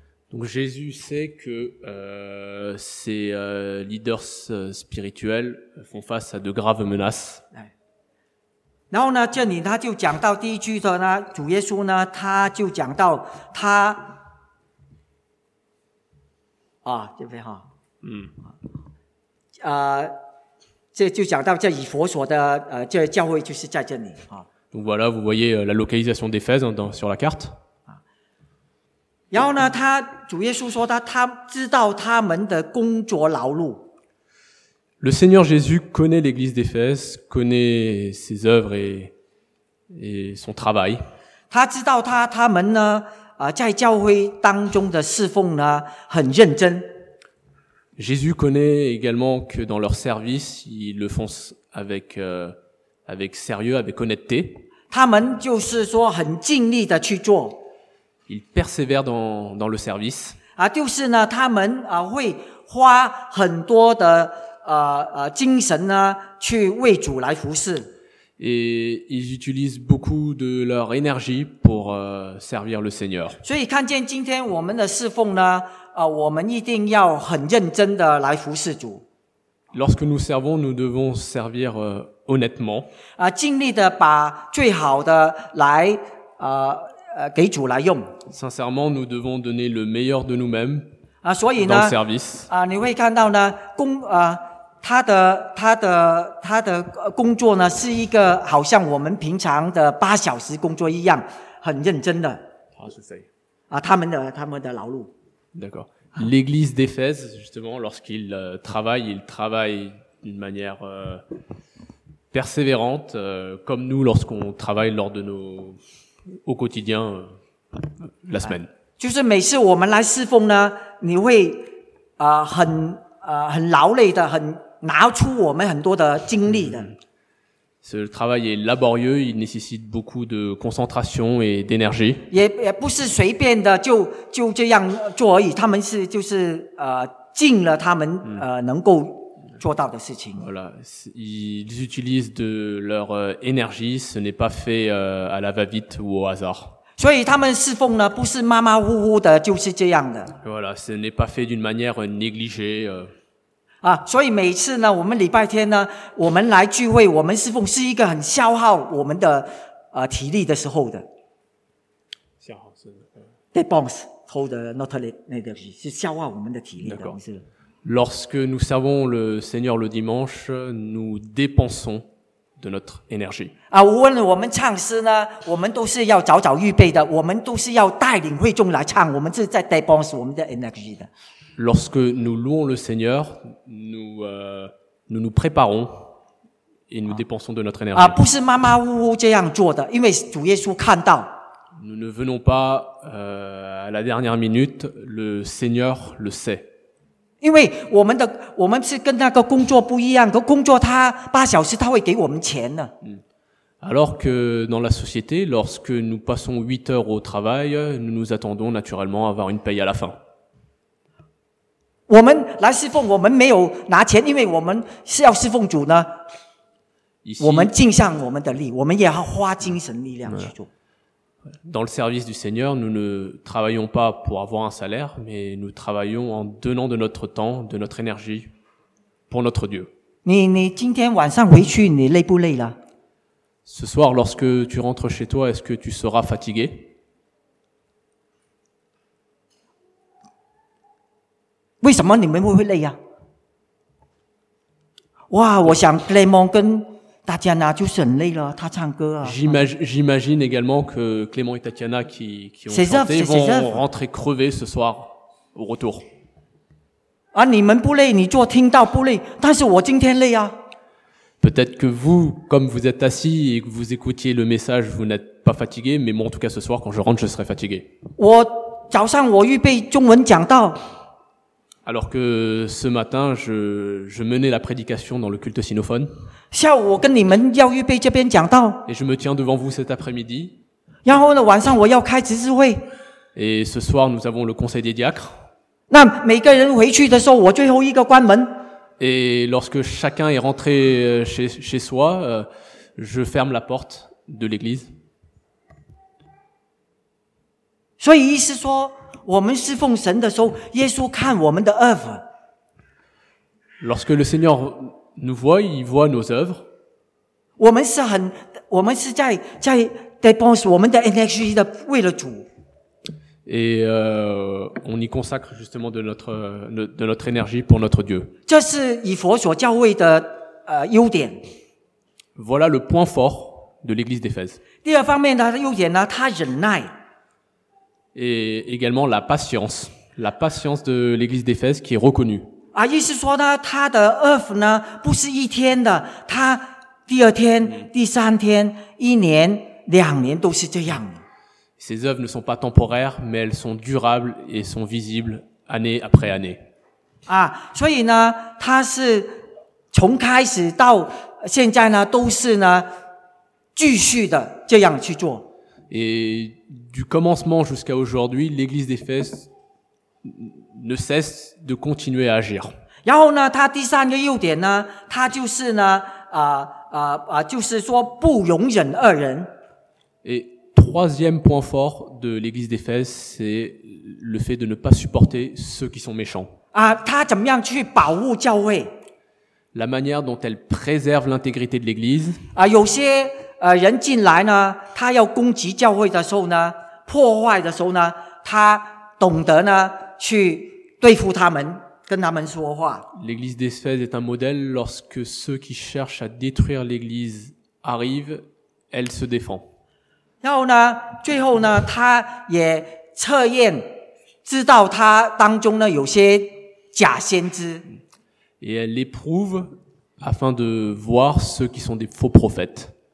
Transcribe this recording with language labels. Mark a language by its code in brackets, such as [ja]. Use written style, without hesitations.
[fr] Donc Jésus sait que ces leaders spirituels font face à de graves menaces. [zh] 然后呢，这里他就讲到第一句的呢，主耶稣呢，他就讲到他啊，这边哈，嗯，这就讲到这以弗所的这教会就是在这里啊。 [fr] Donc voilà, vous voyez la localisation d'Éphèse sur la carte. [zh] 然后呢，他主耶稣说他知道他们的工作劳碌。 [fr] Le Seigneur Jésus connaît l'église d'Éphèse, connaît ses œuvres et son travail. [zh] 他知道他们呢，在教会当中的侍奉呢，很认真。 [fr] Jésus connaît également que dans leur service, ils le font avec sérieux, avec honnêteté. [zh] 他们就是说很尽力的去做。 [fr] Ils persévèrent dans le service. [zh] 啊，就是呢，他们啊会花很多的精神呢，去为主来服事。 [fr] Et ils utilisent beaucoup de leur énergie pour servir le Seigneur. [zh] 所以看见今天我们的侍奉呢，我们一定要很认真的来服事主。 [fr] Lorsque nous servons, nous devons servir honnêtement. [zh] 啊，尽力的把最好的来给主来用。 [fr] Sincèrement, nous devons donner le meilleur de nous-mêmes [zh] 所以呢 [fr] dans le service. [zh] 你会看到呢，他的工作呢，是一个好像我们平常的八小时工作一样，很认真的。他是谁？他们的劳碌。 [fr] D'accord. L'église d'Éphèse, justement, lorsqu'il travaille, il travaille d'une manière persévérante, comme nous lorsqu'on travaille lors de nos au quotidien la semaine. [zh] 就是每次我们来侍奉呢，你会很劳累的，很拿出我们很多的精力的。 [fr] Ce travail est laborieux, il nécessite beaucoup de concentration et d'énergie. [zh] 也不是随便的就这样做而已，他们是就是尽了他们能够做到的事情。 [fr] Voilà, ils utilisent de leur énergie, ce n'est pas fait à la va-vite ou au hasard. [zh] 所以他们侍奉呢，不是马马虎虎的，就是这样的。 [fr] Voilà, ce n'est pas fait d'une manière négligée. [zh] 所以每次呢，我们礼拜天呢，我们来聚会，我们侍奉是一个很消耗我们的体力的时候的。消耗是。 [en] That bombs hold not energy, [zh] 是消耗我们的体力的。 [fr] D'accord. Lorsque nous servons le Seigneur le dimanche, nous dépensons de notre énergie. [zh] 无论我们唱诗呢，我们都是要早早预备的，我们都是要带领会众来唱，我们是在 dépense 我们的 energy 的。 [fr] Lorsque nous louons le Seigneur, nous nous préparons et nous dépensons de notre énergie. [zh] 不是马马虎虎这样做的，因为主耶稣看到。 [fr] Nous ne venons pas à la dernière minute, le Seigneur le sait. [zh] 因为我们是跟那个工作不一样，工作他八小时他会给我们钱的。 [fr] Alors que dans la société, lorsque nous passons 8 heures au travail, nous nous attendons naturellement à avoir une paye à la fin. [zh] 我们来侍奉，我们没有拿钱，因为我们是要侍奉主呢。 [fr] Ici, [zh] 我们尽上我们的力，我们也要花精神力量去做。 [fr] Dans le service du Seigneur, nous ne travaillons pas pour avoir un salaire, mais nous travaillons en donnant de notre temps, de notre énergie pour notre Dieu. [zh] 你今天晚上回去，你累不累了？ [fr] Ce soir, lorsque tu rentres chez toi, est-ce que tu seras fatigué? [zh] 为什么你们会累啊？哇，我想 Clément 跟 Tatiana 就是很累了，他唱歌啊。 [fr] J'imagine également que Clément et Tatiana qui ont chanté vont rentrer crevés ce soir au retour. [zh] 啊，你们不累，你做听到不累，但是我今天累啊。 [fr] Peut-être que vous, comme vous êtes assis et que vous écoutiez le message, vous n'êtes pas fatigué, mais moi, en tout cas, ce soir, quand je rentre, je serai fatigué. [zh] 我早上我预备中文讲道。 [fr] Alors que ce matin, je menais la prédication dans le culte sinophone. [zh] 下午我跟你们要预备这边讲道。 [fr] Et je me tiens devant vous cet après-midi. [zh] 然后呢，晚上我要开执事会。 [fr] Et ce soir, nous avons le conseil des diacres. [zh] 那每个人回去的时候，我最后一个关门。 [fr] Et lorsque chacun est rentré chez soi, je ferme la porte de l'église. [zh] 所以意思说。我们侍奉神的时候，耶稣看我们的 œuvre。 [fr] Lorsque le Seigneur nous voit, il voit nos œuvres。 [zh] 我们是在 dépense 我们的 énergie 的为了主。 [fr] Et on y consacre justement de notre énergie pour notre Dieu。 [zh] 这是以弗所教会的优点。 [fr] Voilà le point fort de l'Église d'Éphèse。 [zh] 第二方面的优点呢，他忍耐。 [fr] Et également la patience de l'église d'Éphèse qui est reconnue. [zh] 啊，意思说呢，他的 œuvre 呢不是一天的，他第二天、第三天、一年、两年都是这样。 [fr] Ces œuvres ne sont pas temporaires, mais elles sont durables et sont visibles année après année. [zh] 啊，所以呢，他是从开始到现在呢，都是呢继续的这样去做。 [fr] Et du commencement jusqu'à aujourd'hui, l'église d'Éphèse ne cesse de continuer à agir. [zh] 然后呢，他第三个优点呢，他就是呢，就是说不容忍恶人。 [fr] Et troisième point fort de l'église d'Éphèse, c'est le fait de ne pas supporter ceux qui sont méchants. [zh] 啊，他怎么样去保护教会？ [fr] La manière dont elle préserve l'intégrité de l'église. [zh] 啊，有些人进来呢，他要攻击教会的时候呢，破坏的时候呢，他懂得呢去对付他们，跟他们说话。 [fr] L'église d'Éphèse est un modèle. Lorsque ceux qui cherchent à détruire l'église arrivent, elle se défend. [zh] 然后呢，最后呢，他也测验，知道他当中呢有些假先知。 [fr] Et elle éprouve afin de voir ceux qui sont des faux prophètes.